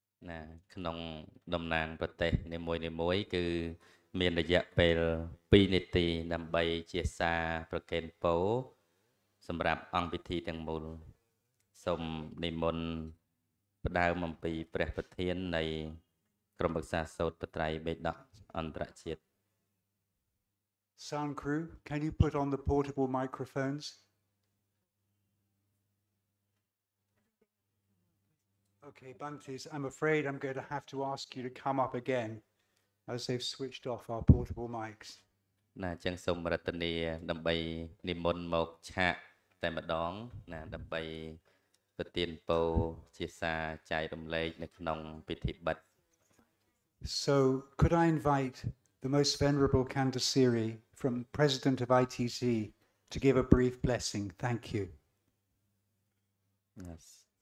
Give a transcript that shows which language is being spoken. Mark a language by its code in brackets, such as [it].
[km] ណាក្នុងតំណាងប្រទេសនីមួយនីមួយគឺមានរយៈពេល2នាទីដើម្បីជាសារប្រកេនពោសម្រាប់អង្គពិធីទាំងមូលសូមនិមន្តផ្ដើមអំពីព្រះប្រធាននៃក្រុមប្រឹក្សាសោតប្រត្រៃបេដកអន្តរជាតិ [en] Sound crew, can you put on the portable microphones? Okay, Bunties, I'm afraid I'm going to have to ask you to come up again as they've switched off our portable mics. [km] ណាចឹងសូមរតនាដើម្បីនិមន្តមកឆាកតែម្ដងណាដើម្បីប្រទានពរជាសារចែករំលែកនៅក្នុងពិធីបិទ [en] So, could I invite the most venerable Candaceri from President of ITC to give a brief blessing? Thank you. Yes.